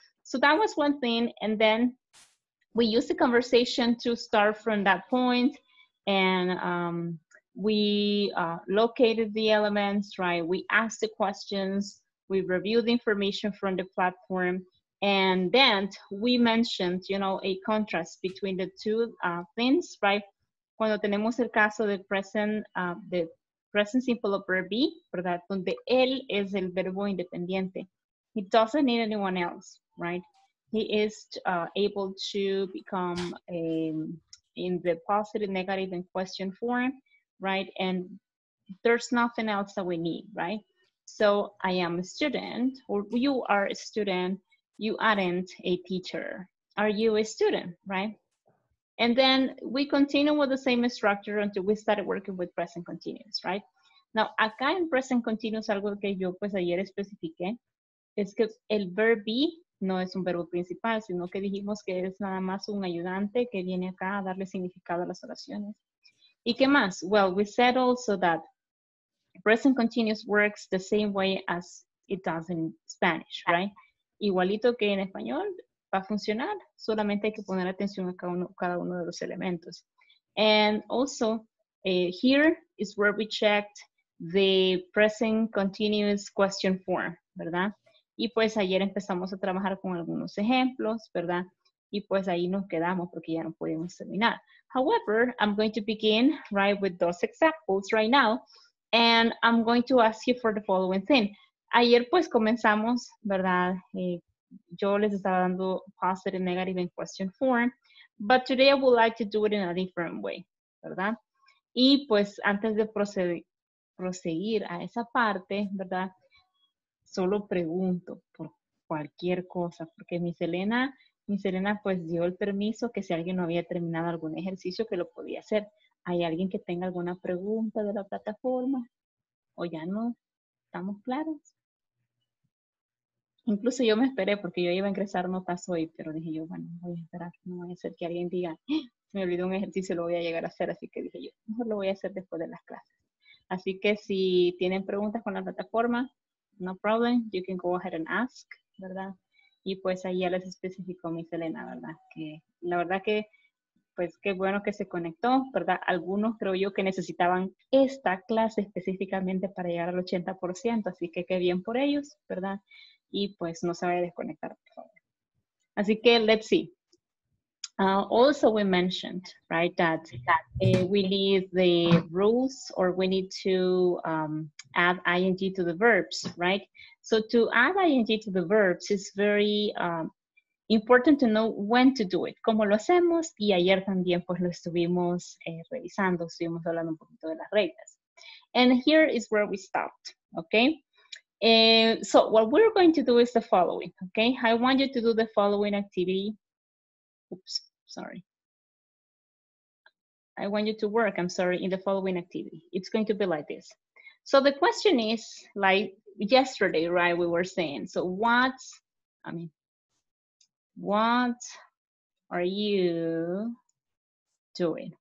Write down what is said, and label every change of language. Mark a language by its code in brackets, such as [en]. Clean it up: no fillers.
[en] So that was one thing. And then we used the conversation to start from that point. And we located the elements, right? We asked the questions, we reviewed the information from the platform, and then we mentioned, you know, a contrast between the two things, right? [es] Cuando tenemos el caso de present simple operator be, ¿verdad? Donde él es el verbo independiente. [en] He doesn't need anyone else, right? He is able to become a... in the positive, negative, and question form, right? And there's nothing else that we need, right? So I am a student, or you are a student, you aren't a teacher. Are you a student, right? And then we continue with the same structure until we started working with present continuous, right? [es] Now, acá en present continuous, algo que yo pues ayer especifique, es que el verb be no es un verbo principal, sino que dijimos que es nada más un ayudante que viene acá a darle significado a las oraciones. ¿Y qué más? [en] Well, we said also that present continuous works the same way as it does in Spanish, right? [es] Igualito que en español, va a funcionar, solamente hay que poner atención a cada uno de los elementos. [en] And also, here is where we checked the present continuous question form, ¿verdad? [es] Y pues ayer empezamos a trabajar con algunos ejemplos, ¿verdad? Y pues ahí nos quedamos porque ya no pudimos terminar. [en] However, I'm going to begin, right, with those examples right now. And I'm going to ask you for the following thing. [es] Ayer pues comenzamos, ¿verdad? Yo les estaba dando positive, negative in question form. [en] But today I would like to do it in a different way, ¿verdad? [es] Y pues antes de proseguir a esa parte, ¿verdad? Solo pregunto por cualquier cosa, porque Miss Elena pues dio el permiso que si alguien no había terminado algún ejercicio que lo podía hacer. ¿Hay alguien que tenga alguna pregunta de la plataforma? ¿O ya no estamos claros? Incluso yo me esperé porque yo iba a ingresar notas hoy, pero dije yo, bueno, voy a esperar, no voy a hacer que alguien diga, me olvidé un ejercicio, lo voy a llegar a hacer, así que dije yo, mejor lo voy a hacer después de las clases. Así que si tienen preguntas con la plataforma, [en] no problem, you can go ahead and ask, [es] ¿verdad? Y pues ahí ya les especificó Miss Elena, ¿verdad? Que la verdad que, pues qué bueno que se conectó, ¿verdad? Algunos creo yo que necesitaban esta clase específicamente para llegar al 80%, así que qué bien por ellos, ¿verdad? Y pues no se vaya a desconectar, por favor. Así que, [en] let's see. Also we mentioned, right, that we need the rules or we need to add ing to the verbs, right? So to add ing to the verbs is very important to know when to do it. [es] ¿Cómo lo hacemos? Y ayer también pues lo estuvimos revisando, estuvimos hablando un poquito de las reglas. [en] And here is where we stopped, okay? So what we're going to do is the following, okay? I want you to do the following activity. Oops. Sorry. I want you to work, I'm sorry, in the following activity. It's going to be like this. So the question is, like yesterday, right, we were saying, so what are you doing?